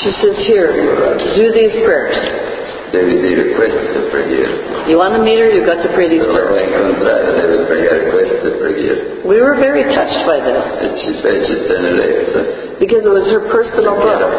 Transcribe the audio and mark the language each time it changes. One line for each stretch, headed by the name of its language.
English: She says, here, do these prayers.
Italian: Devi dire queste preghiere.
English: You want to meet her, you've got to pray these prayers.
Italian: Devi pregare queste preghiere.
English: We were very touched by this.
Italian: E ci fece tenerezza.
English: Because it was her personal book.